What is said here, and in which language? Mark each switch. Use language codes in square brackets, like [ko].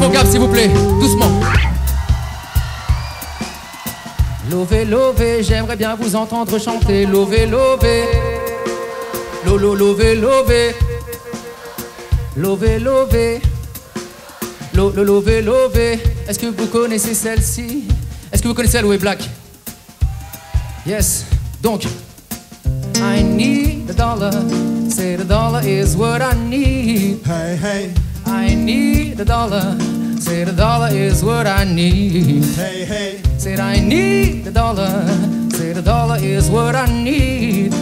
[fr] S'il vous plaît, doucement. Lové, lové, j'aimerais bien vous entendre chanter. Lové, lové, lolo, lové, lové, lové, lové, lolo, lové, lové. Est-ce que vous connaissez celle-ci? Est-ce que vous connaissez Aloe Black? [en] Yes, [fr] donc. [en] I need a dollar, say the dollar is what I need. Hey, hey. I need a dollar, say the dollar is what I need. Hey, hey. Said I need the dollar, say the dollar is what I need.